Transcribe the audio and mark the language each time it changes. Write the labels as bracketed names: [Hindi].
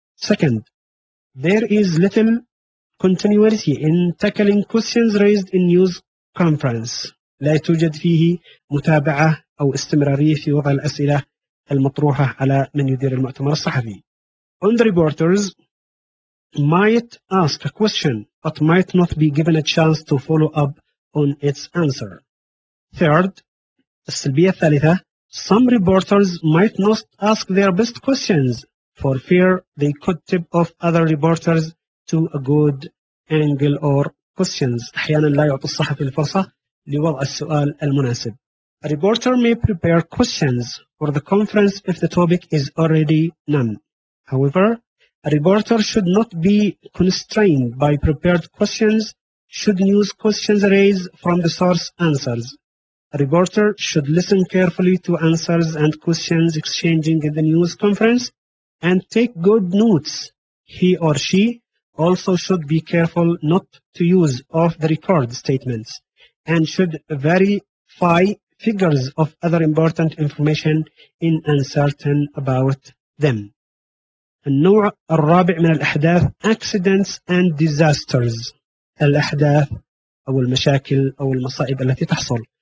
[English] Second, there is little continuity in tackling questions raised in news conference. [Arabic] لا توجد فيه متابعة أو استمرارية في وضع الأسئلة المطروحة على من يدير المؤتمر الصحفي. [English] On the reporters might ask a question but might not be given a chance to follow up on its answer. Third, [Arabic] السلبية الثالثة, [English] some reporters might not ask their best questions for fear they could tip off other reporters to a good angle or questions. [Arabic] أحيانا لا يعطي الصحفي الفرصة لوضع السؤال المناسب. [English] A reporter may prepare questions for the conference if the topic is already known. However, a reporter should not be constrained by prepared questions should news questions arise from the source answers. A reporter should listen carefully to answers and questions exchanging in the news conference and take good notes. He or she also should be careful not to use off-the-record statements and should verify figures of other important information in uncertain about them. [Arabic] النوع الرابع من الأحداث, [English] accidents and disasters, [Arabic] الأحداث أو المشاكل أو المصائب التي تحصل.